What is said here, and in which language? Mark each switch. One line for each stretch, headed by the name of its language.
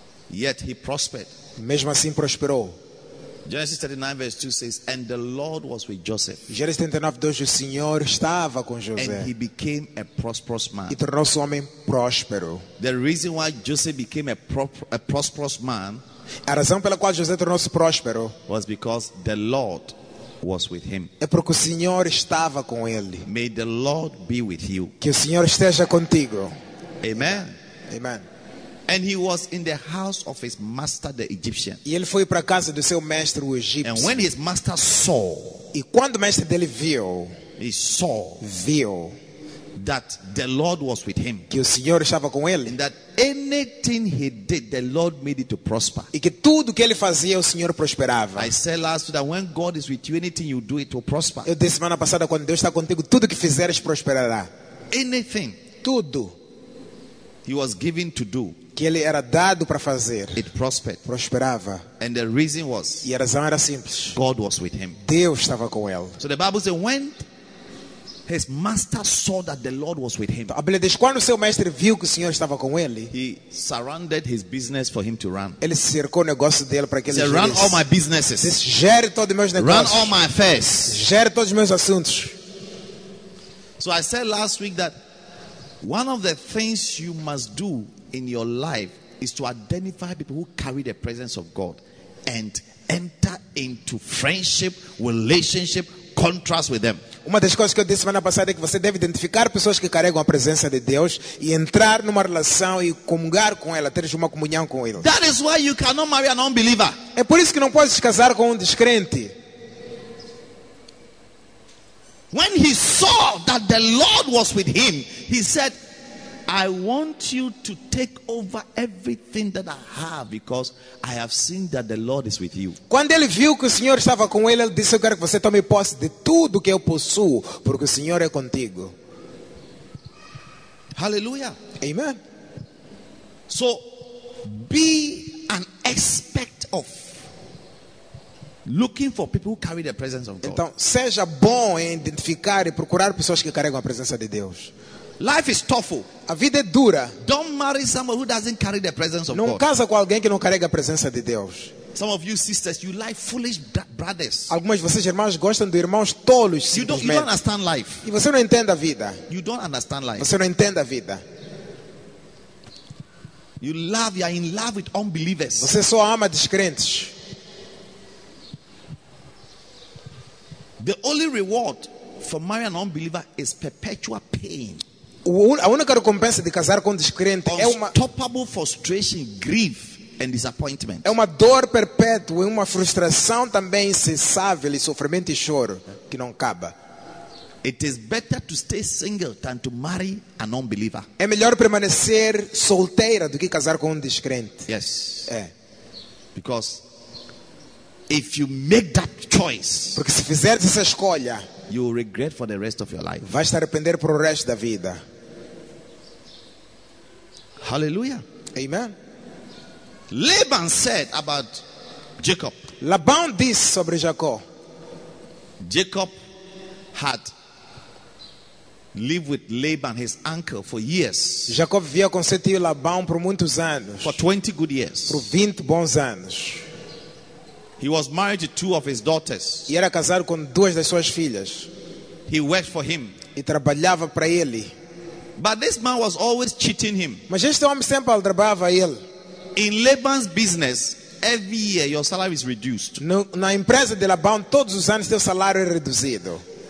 English: Yet he prospered.
Portuguese: Mesmo assim prosperou.
English: Genesis 39 verse 2 says, and the Lord was with Joseph.
Portuguese: Gênesis 39, 2, o Senhor estava com José.
English: And he became a prosperous man.
Portuguese: E tornou-se um homem próspero.
English: The reason why Joseph became a prosperous man,
Portuguese: a razão pela qual José tornou-se próspero,
English: was because the Lord was with him.
Portuguese: É porque o Senhor estava com ele.
English: May the Lord be with you.
Portuguese: Que o Senhor esteja contigo.
English: Amen.
Portuguese: Amen.
English: And he was in the house of his master, the Egyptian.
Portuguese: E ele foi para a casa do seu mestre, o egípcio.
English: And when his master saw,
Portuguese: e quando o mestre dele viu,
English: he saw,
Portuguese: viu,
English: that the Lord was with him.
Portuguese: Que o Senhor estava com ele.
English: And that anything he did, the Lord made it to prosper.
Portuguese: E que tudo que ele fazia, o Senhor prosperava.
English: I said last week that when God is with you, anything you do, it will prosper.
Portuguese: Eu disse semana passada, quando Deus está contigo, tudo que fizeres prosperará.
English: Anything,
Portuguese: tudo,
English: he was given to do.
Portuguese: Que ele era dado para fazer.
English: It prospered.
Portuguese: Prosperava.
English: And the reason was,
Portuguese: e a razão era simples.
English: God was with him.
Portuguese: Deus estava com ele.
English: So the Bible says, when his master saw that the Lord was with him,
Portuguese: a Bíblia diz, quando seu mestre viu que o Senhor estava com ele,
English: he surrounded his business for him to run.
Portuguese: Ele cercou o negócio dele para que ele
English: run all my businesses.
Portuguese: Gere todos os meus negócios.
English: Run all my affairs.
Portuguese: Gere todos os meus assuntos.
English: So I said last week that one of the things you must do in your life is to identify people who carry the presence of God and enter into friendship, relationship, contrast with them.
Portuguese: Uma das coisas que eu disse semana passada é que você deve identificar pessoas que carregam a presença de Deus e entrar numa relação e comungar com ela, ter uma comunhão com ele.
English: That is why you cannot marry an unbeliever.
Portuguese: É por isso que não podes casar com descrente.
English: When he saw that the Lord was with him, he said, I want you to take over everything that I have because I have seen that the Lord is with you.
Portuguese: Quando ele viu que o Senhor estava com ele, ele disse, eu quero que você tome posse de tudo que eu possuo, porque o Senhor é contigo.
English: Hallelujah.
Portuguese: Amen.
English: So, be an expert of looking for people who carry the presence of God.
Portuguese: Então, seja bom em identificar e procurar pessoas que carregam a presença de Deus.
English: Life is tough.
Portuguese: A vida é dura.
English: Don't marry someone who doesn't carry the presence of God.
Portuguese: Não casa com alguém que não carrega a presença de Deus.
English: Some of you sisters, you like foolish brothers.
Portuguese: Algumas de vocês irmãs gostam de irmãos tolos.
English: You don't understand life.
Portuguese: E você não entende a vida.
English: You don't understand life.
Portuguese: Você não entende a vida.
English: You are in love with unbelievers.
Portuguese: Você só ama descrentes.
English: The only reward for marrying an unbeliever is perpetual pain.
Portuguese: A única recompensa de casar com um descrente é uma
English: unstoppable frustration, grief and disappointment.
Portuguese: É uma dor perpétua, uma frustração também incessável, e sofrimento e choro que não acaba.
English: It is better to stay single than to marry an unbeliever.
Portuguese: É melhor permanecer solteira do que casar com um descrente.
English: Yes.
Portuguese: É.
English: Because if you make that choice,
Portuguese: porque se fizeres essa escolha,
English: you will regret for the rest of your life.
Portuguese: Vais te arrepender para o resto da vida.
English: Hallelujah.
Portuguese: Amen.
English: Laban said about Jacob.
Portuguese: Laban disse sobre Jacob.
English: Jacob had lived with Laban, his uncle, for years.
Portuguese: Jacob vivia com seu tio Labão por muitos anos.
English: For 20 good years.
Portuguese: Por 20 bons anos.
English: He was married to two of his daughters.
Portuguese: E era casado com duas das suas filhas.
English: He worked for him.
Portuguese: E trabalhava para ele.
English: But this man was always cheating him.
Portuguese: Mas este homem sempre aldrabava ele.
English: In Laban's business, every year your salary is reduced.
Portuguese: Na empresa de Labão, todos os anos teu salário é reduzido.